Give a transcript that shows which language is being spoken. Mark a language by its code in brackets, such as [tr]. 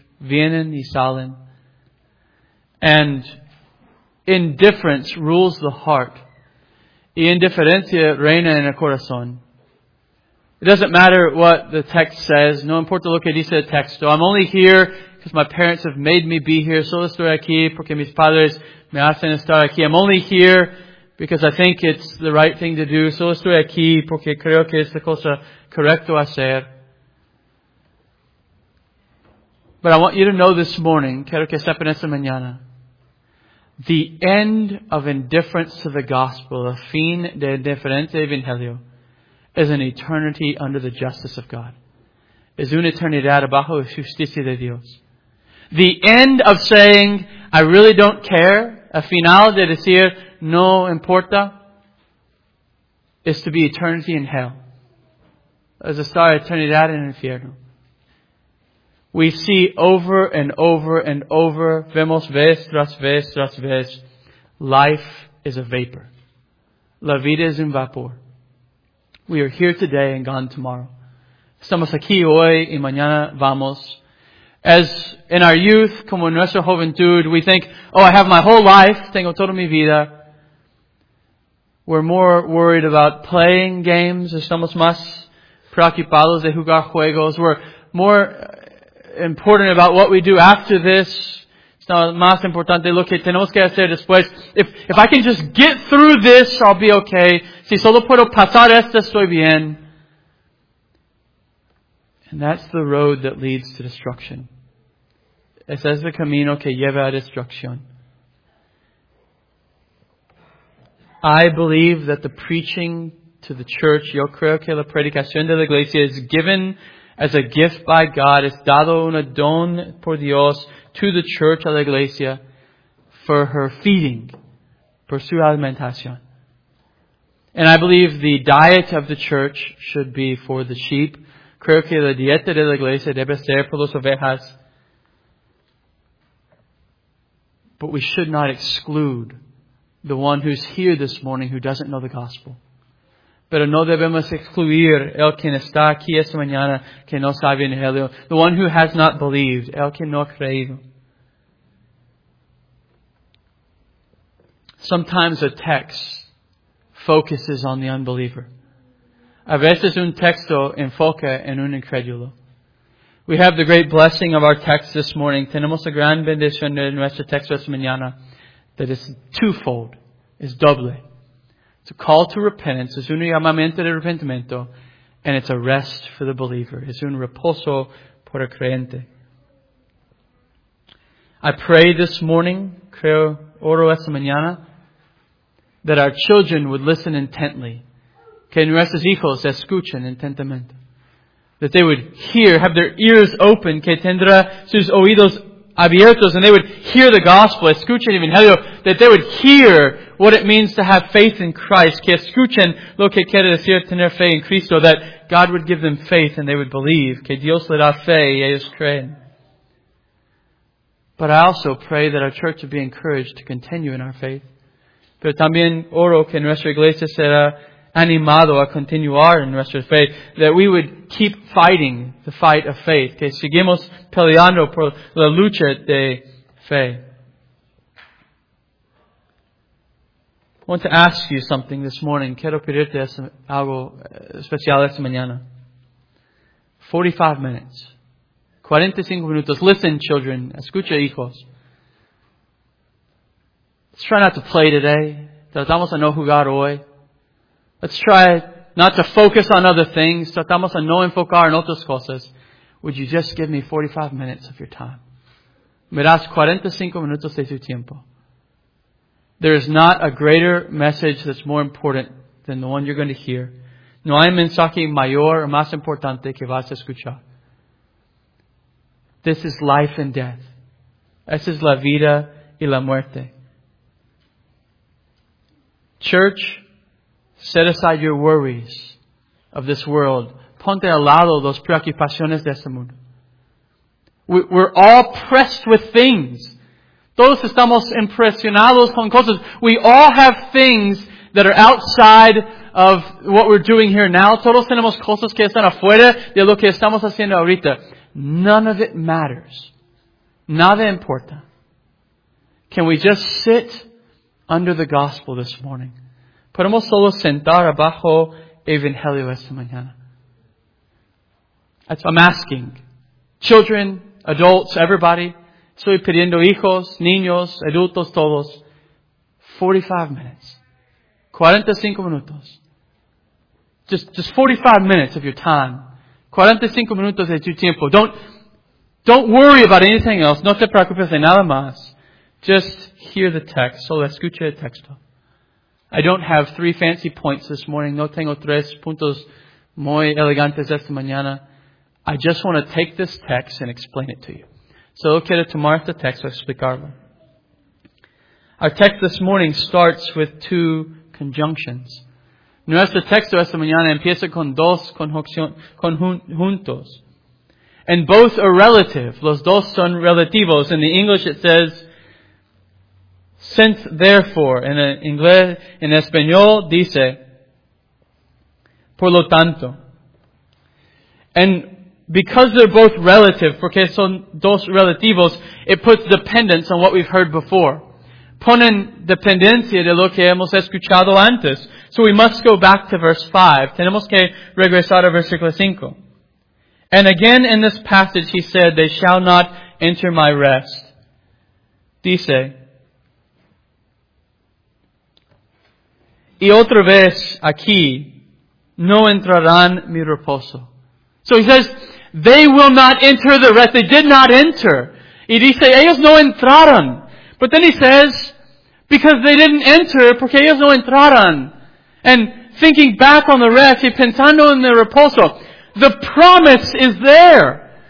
[es] Vienen y salen. [en] And indifference rules the heart. [es] Y indiferencia reina en el corazón. [en] It doesn't matter what the text says. [es] No importa lo que dice el texto. [en] I'm only here because my parents have made me be here. [es] Solo estoy aquí porque mis padres me hacen estar aquí. [en] I'm only here because I think it's the right thing to do. [es] Solo estoy aquí porque creo que es la cosa correcta hacer. [en] But I want you to know this morning, [es] quiero que sepan esta mañana, [en] the end of indifference to the gospel, the [es] fin de indiferencia evangelio, [en] is an eternity under the justice of God. [es] Es una eternidad bajo la justicia de Dios. [en] The end of saying, I really don't care, [es] a final de decir, no importa, [en] is to be eternity in hell. [es] Es estar eternidad en infierno. [en] We see over and over and over, [es] vemos vez tras vez [en] life is a vapor. [es] La vida es un vapor. [en] We are here today and gone tomorrow. [es] Estamos aquí hoy y mañana vamos. [en] As in our youth, [es] como en nuestra juventud, [en] we think, oh, I have my whole life, [es] tengo toda mi vida. [en] We're more worried about playing games. [es] Estamos más preocupados de jugar juegos. [en] We're more important about what we do after this. [es] Es más importante lo que tenemos que hacer después. [en] If I can just get through this, I'll be okay. [es] Si solo puedo pasar esto, estoy bien. [en] And that's the road that leads to destruction. [es] Ese es el camino que lleva a destrucción. [en] I believe that the preaching to the church, [es] yo creo que la predicación de la iglesia [en] is given as a gift by God, [es] es dado un don por Dios [en] to the church, [es] a la iglesia, [en] for her feeding, [es] por su alimentación. [en] And I believe the diet of the church should be for the sheep. [es] Creo que la dieta de la iglesia debe ser por las ovejas. [en] But we should not exclude the one who's here this morning who doesn't know the gospel. [es] Pero no debemos excluir el quien está aquí esta mañana que no sabe el evangelio. [en] The one who has not believed, [es] el que no ha creído. [en] Sometimes a text focuses on the unbeliever. [es] A veces un texto enfoca en un incrédulo. [en] We have the great blessing of our text this morning. [es] Tenemos la gran bendición de nuestro texto esta mañana [en] that is twofold, [es] is doble. [en] It's a call to repentance, [es] es un llamamiento de arrepentimiento, [en] and it's a rest for the believer. [es] Es un reposo por el creyente. [en] I pray this morning, [es] creo, oro esta mañana, [en] that our children would listen intently. [es] Que nuestros hijos escuchen intentamente. [en] That they would hear, have their ears open. [es] Que tendrá sus oídos abiertos. [en] And they would hear the gospel. [es] Escuchen el evangelio. [en] That they would hear what it means to have faith in Christ. [es] Que escuchen lo que quiere decir tener fe en Cristo. [en] That God would give them faith and they would believe. [es] Que Dios le da fe y ellos creen. [en] But I also pray that our church would be encouraged to continue in our faith. [es] Pero también oro que nuestra iglesia será animado a continuar en nuestra fe. [en] That we would keep fighting the fight of faith. [es] Que seguimos peleando por la lucha de fe. [en] I want to ask you something this morning. [es] Quiero pedirte algo especial esta mañana. [en] 45 minutes. [es] 45 minutos. [en] Listen, children. [es] Escucha, hijos. [en] Let's try not to play today. [es] Tratamos a no jugar hoy. [en] Let's try not to focus on other things. [es] Tratamos a no enfocar en otras cosas. [en] Would you just give me 45 minutes of your time? [es] Me das 45 minutos de tu tiempo. [en] There is not a greater message that's more important than the one you're going to hear. [es] No hay mensaje mayor o más importante que vas a escuchar. [en] This is life and death. [es] Esa es la vida y la muerte. [en] Church, set aside your worries of this world. [es] Ponte al lado las preocupaciones de este mundo. [en] We're all pressed with things. [es] Todos estamos impresionados con cosas. [en] We all have things that are outside of what we're doing here now. [es] Todos tenemos cosas que están afuera de lo que estamos haciendo ahorita. None of it matters. Nada importa. [en] Can we just sit under the gospel this morning? [es] Podemos solo sentar abajo evangelio esta mañana. [en] I'm asking. Children, adults, everybody. [es] Estoy pidiendo hijos, niños, adultos, todos. [en] 45 minutes. [es] 45 minutos. [en] Just 45 minutes of your time. [es] 45 minutos de tu tiempo. [en] Don't worry about anything else. [es] No te preocupes de nada más. [en] Just hear the text. [es] Solo escucha el texto. [en] I don't have three fancy points this morning. [es] No tengo tres puntos muy elegantes esta mañana. [en] I just want to take this text and explain it to you. [es] So quiero tomar este texto y explicarlo. [en] Our text this morning starts with two conjunctions. [es] Nuestro texto esta mañana empieza con dos conjuntos. [en] And both are relative. [es] Los dos son relativos. [en] In the English it says, Since therefore, in English, in español, [es] dice, por lo tanto. [en] And because they're both relative, [es] porque son dos relativos, [en] it puts dependence on what we've heard before. [es] Ponen dependencia de lo que hemos escuchado antes. [en] So we must go back to verse 5. [es] Tenemos que regresar a versículo 5. [en] And again in this passage he said, they shall not enter my rest. [es] Dice, y otra vez aquí, no entrarán mi reposo. [en] So he says, they will not enter the rest. They did not enter. [es] Y dice, ellos no entraron. [en] But then he says, because they didn't enter, [es] porque ellos no entraron. [en] And thinking back on the rest, [es] y pensando en el reposo, [en] the promise is there.